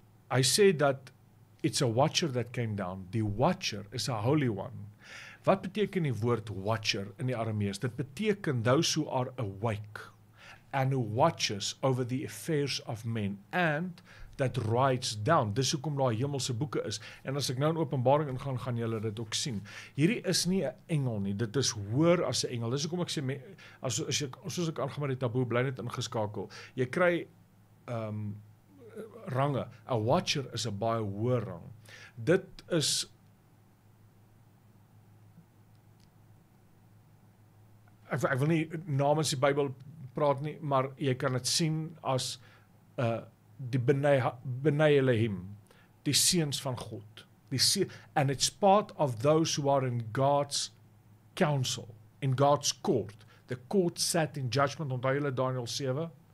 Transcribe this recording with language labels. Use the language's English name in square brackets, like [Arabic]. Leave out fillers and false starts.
[English] I say that it's a watcher that came down. The watcher is a holy one. [Afrikaans] Wat beteken die woord watcher in die Aramees? Dit beteken [English] those who are awake and who watches over the affairs of men and that writes down. [Afrikaans] Dis hoekom daar hemelse boeke is. En as ek nou in Openbaring ingaan, gaan julle dit ook sien. Hierdie is nie 'n engel nie. Dit is hoër as 'n engel. Dis hoekom ek sê, soos ek aangaan met die taboe, bly net ingeskakel. Jy kry range. A watcher is a baie hoër rang. Dit is ek wil nie namens die Bybel praat nie, maar jy kan het sien as die benei Elohim, die seuns van God. [English] And it's part of those who are in God's counsel, in God's court. The court sat in judgment, [Afrikaans] onthou julle Daniel 7,